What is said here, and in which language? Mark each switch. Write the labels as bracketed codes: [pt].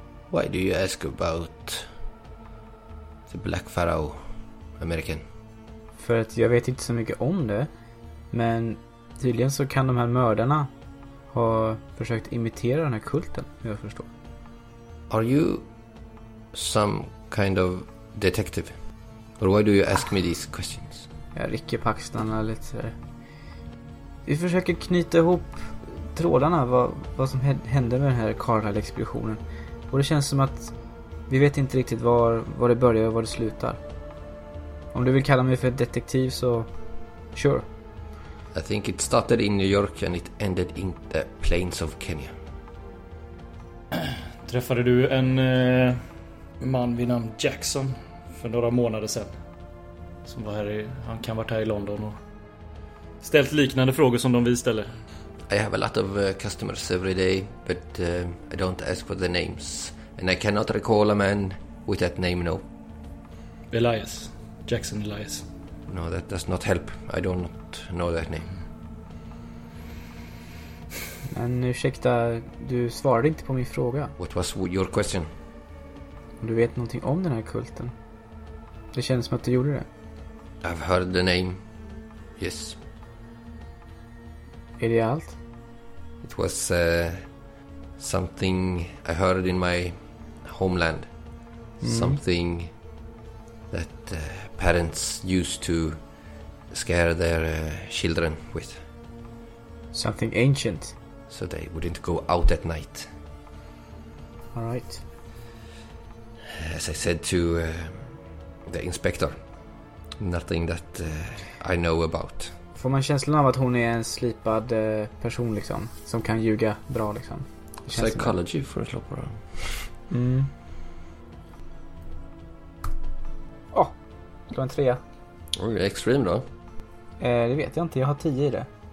[en] Why do you ask about the black pharaoh, American? [sv] För att jag vet inte så mycket om det, men tydligen så kan de här mördarna ha försökt imitera den här kulten, hur jag förstår. [en] Are you some kind of detective? Or why do you ask me these questions? [sv] Jag rycker på axlarna lite. Vi försöker knyta ihop trådarna, vad som hände med den här Carlisle-expeditionen. Och det känns som att vi vet inte riktigt var det börjar och var det slutar. Om du vill kalla mig för detektiv så sure. [en] I think it started in New York and it ended in the plains of Kenya. [sv] Träffade du en man vid namn Jackson för några månader sedan? Som var här i, han kan varit här i London och ställt liknande frågor som de vi ställer. [en] I have a lot of customers every day, but I don't ask for the names. And I cannot recall a man with that name, no. Elias. Jackson Elias. No, that does not help. I do not know that name. [sv] Men ursäkta, du svarade inte på min fråga. [en] What was your question? [sv] Om du vet någonting om den här kulten. Det känns som att du gjorde det. [en] I've heard the name. Yes. [sv] Är det allt? [en] It was something I heard in my homeland. Mm. Something that parents used to scare their children with. Something ancient. So they wouldn't go out at night. All right. As I said to the inspector, nothing that I know about. [sv] Får man känslan av att hon är en slipad person liksom, som kan ljuga bra liksom? Psychology för att slå på dem. Mm. Åh, det var en trea. Oj, extreme då? Det vet jag inte, jag har 10 i det.